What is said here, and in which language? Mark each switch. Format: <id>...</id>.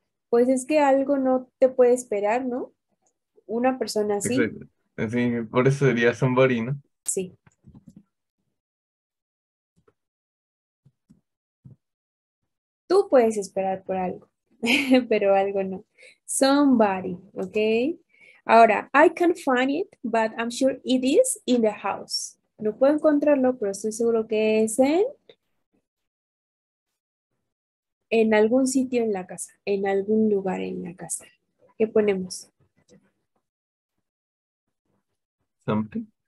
<es>Pues es que algo no te puede esperar, ¿no? Una persona así. Sí, por eso sería somebody, ¿no? Sí. Tú puedes esperar por algo, pero algo no. Somebody, ¿ok?</es> <en>Ahora, I can't find it, but I'm sure it is in the house.</en> <es>No puedo encontrarlo, pero estoy seguro que es en algún sitio en la casa, en algún lugar en la casa. ¿Qué ponemos?</es> <en>Something.</en>